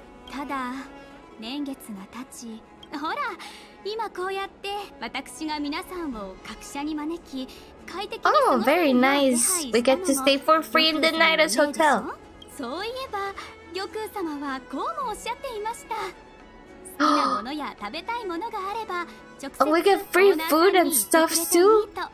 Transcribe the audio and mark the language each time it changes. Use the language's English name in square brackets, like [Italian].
[Japanese] ただ、年月が経ち、ほら、今こうやって私が皆さんを各社に招き、快適に過ごす。 [English] Oh, very nice. We get to stay for free in the Nighters Hotel. [Japanese] そういえば、玉空様はこうもおっしゃっていました。 [English] Oh, we get free food and stuff too.